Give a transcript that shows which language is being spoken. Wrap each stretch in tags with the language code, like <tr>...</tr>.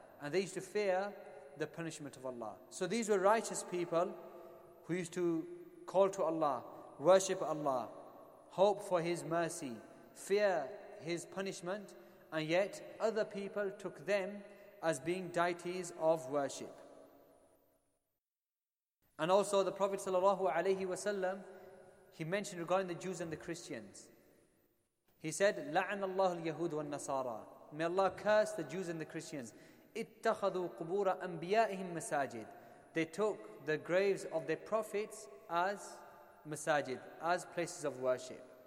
<en>And they used to fear the punishment of Allah. So these were righteous people who used to call to Allah, worship Allah, hope for His mercy, fear His punishment, and yet other people took them as being deities of worship. And also the Prophet sallallahu alayhi wa sallam, he mentioned regarding the Jews and the Christians. He said,</en> <ar>لَعَنَ اللَّهُ الْيَهُودُ وَالنَّصَارَى.</ar> <en>May Allah curse the Jews and the Christians.</en> <ar>اتَّخَذُوا قُبُورَ أَنْبِيَائِهِمْ مَسَاجِدٍ.</ar> <en>They took the graves of their prophets as masajid, as places of worship.</en>